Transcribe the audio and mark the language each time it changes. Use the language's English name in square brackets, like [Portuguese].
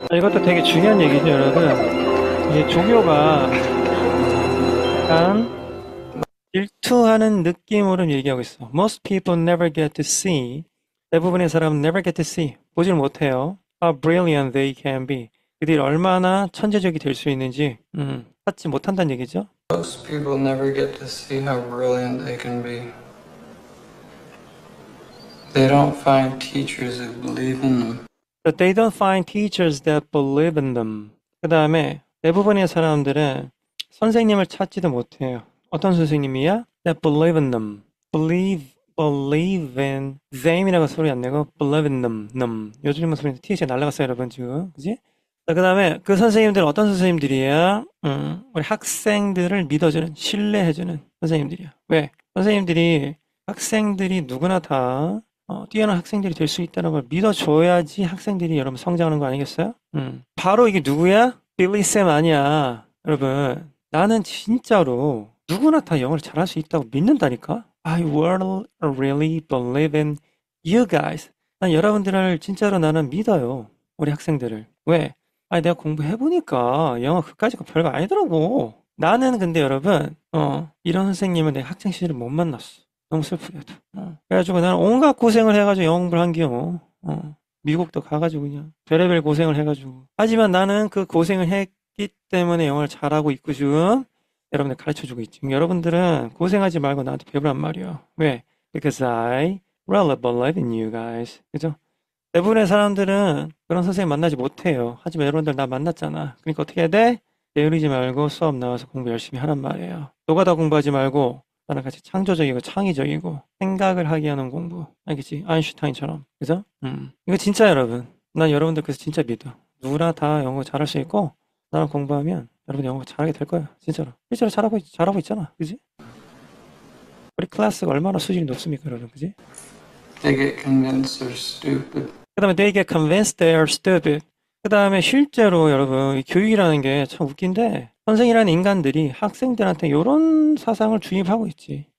[Korean] 이것도 되게 중요한 얘기죠, 여러분. 이제 종교가 약간 질투하는 느낌으로 얘기하고 있어. [English] Most people never get to see. [Korean] 대부분의 사람은 [English] never get to see. [Korean] 보질 못해요. [English] How brilliant they can be. [Korean] 그들이 얼마나 천재적이 될수 있는지 찾지 못한다는 얘기죠. [English] Most people never get to see how brilliant they can be. They don't find teachers who believe in them. But they don't find teachers that believe in them. [Korean] 그 다음에 대부분의 사람들은 선생님을 찾지도 못해요. 어떤 선생님이야? [English] That believe in them. Believe in them [Korean] 이라고 소리 안 내고 [English] believe in them. [Korean] 요즘 무슨 TH가 날라갔어요, 여러분 지금. 그지? 자, 그 다음에 그 선생님들은 어떤 선생님들이야? 우리 학생들을 믿어주는, 신뢰해주는 선생님들이야. 왜? 선생님들이, 학생들이 누구나 다 뛰어난 학생들이 될수 있다는 걸 믿어줘야지 학생들이 여러분 성장하는 거 아니겠어요? 바로 이게 누구야? 빌리쌤 아니야. 여러분, 나는 진짜로 누구나 다 영어를 잘할 수 있다고 믿는다니까? [English] I will really believe in you guys. [Korean] 난 여러분들을 진짜로 나는 믿어요. 우리 학생들을. 왜? 아, 내가 공부해보니까 영어 그까짓 거 별거 아니더라고. 나는 근데 여러분, 이런 선생님은 내 학창 시절에 못 만났어. 너무 슬프게도. 그래가지고 나는 온갖 고생을 해가지고 영어 공부를 한 겨. 미국도 가가지고 그냥 별의별 고생을 해가지고. 하지만 나는 그 고생을 했기 때문에 영어를 잘하고 있고 지금 여러분들 가르쳐주고 있지. 여러분들은 고생하지 말고 나한테 배우란 말이야. 왜? [English] Because I really believe in you guys. [Korean] 그죠? 대부분의 사람들은 그런 선생님 만나지 못해요. 하지만 여러분들 나 만났잖아. 그러니까 어떻게 해야 돼? 게으르지 말고 수업 나와서 공부 열심히 하란 말이에요. 노가다 공부하지 말고 나랑 같이 창조적이고 창의적이고 생각을 하게 하는 공부. 알겠지? 아인슈타인처럼. 그죠? 이거 진짜 여러분. 난 여러분들 그래서 진짜 믿어. 누구나 다 영어 잘할 수 있고 나랑 공부하면 여러분 영어 잘하게 될 거야. 진짜로. 실제로 잘하고 있잖아. 그지? 우리 클래스가 얼마나 수준이 높습니까, 여러분. 그지? [English] They get convinced they're stupid. [Korean] 그다음에 [English] they get convinced they are stupid. [Korean] 그다음에 실제로 여러분 교육이라는 게참 웃긴데 선생이라는 인간들이 학생들한테 이런 사상을 주입하고 있지.